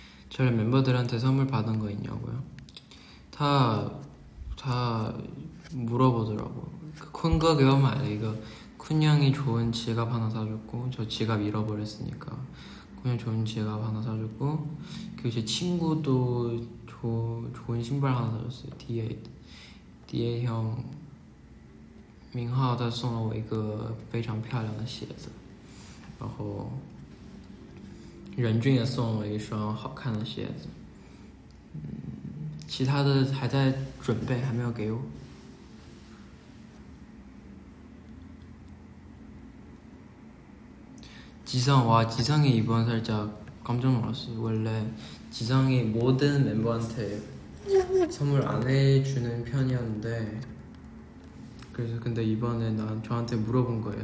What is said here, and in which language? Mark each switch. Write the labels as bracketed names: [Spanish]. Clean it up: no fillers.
[Korean] 저희 멤버들한테 선물 받은 거 있냐고요? 다 물어보더라고요. 큰 거 그건 아니에요. 이거 쿤 형이 좋은 지갑 하나 사줬고 저 지갑 잃어버렸으니까 쿤 형 좋은 지갑 하나 사줬고 그리고 제 친구도 좋은 신발 하나 사줬어요. DA 형 민하가 [Chinese] 送了我 이거 非常 漂亮的 鞋子 然后 仁俊也送了我一双好看的鞋子，其他的还在准备，还没有给我。지성，哇， [Korean] 지성이 이번 살짝 깜짝 놀랐어요. 원래 지성이 모든 멤버한테 선물 안 해주는 편이었는데, 그래서 근데 이번에 저한테 물어본 거예요.